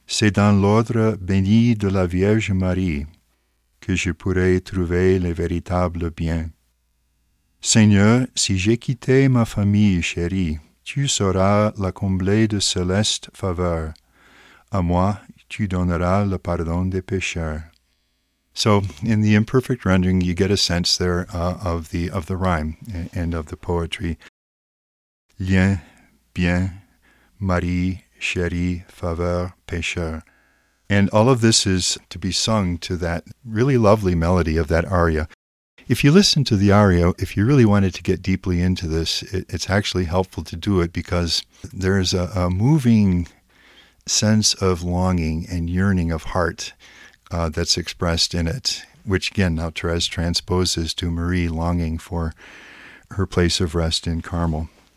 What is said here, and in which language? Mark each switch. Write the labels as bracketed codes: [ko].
[fr] C'est dans l'ordre béni de la Vierge Marie que je pourrai trouver les véritables biens. Seigneur, si j'ai quitté ma famille chérie, tu sauras la combler de céleste faveur. À moi, tu donneras le pardon des pécheurs." [en] So, in the imperfect rendering, you get a sense there of the rhyme and of the poetry. [fr] Lien, bien, Marie, chérie, faveur, pécheur. [en] And all of this is to be sung to that really lovely melody of that aria. If you listen to the aria, if you really wanted to get deeply into this, it's actually helpful to do it because there's a moving sense of longing and yearning of heart that's expressed in it, which again, now Thérèse transposes to Marie longing for her place of rest in Carmel.